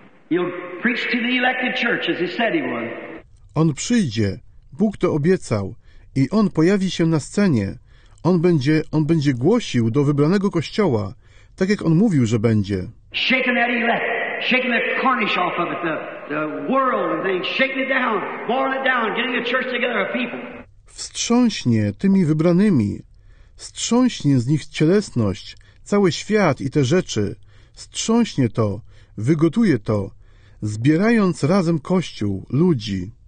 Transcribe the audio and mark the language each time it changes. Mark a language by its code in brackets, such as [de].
[en] He'll preach to the elected church, as he said he would. [pl] On przyjdzie. Bóg to obiecał. I on pojawi się na scenie. On będzie głosił do wybranego kościoła, tak jak on mówił, że będzie. [en] Shaking that elect, shaking the cornish off of it, the world and things, shaking it down, boiling it down, getting the church together of people. [pl] Wstrząśnie tymi wybranymi, wstrząśnie z nich cielesność, cały świat i te rzeczy, wstrząśnie to, wygotuje to, zbierając razem kościół, ludzi.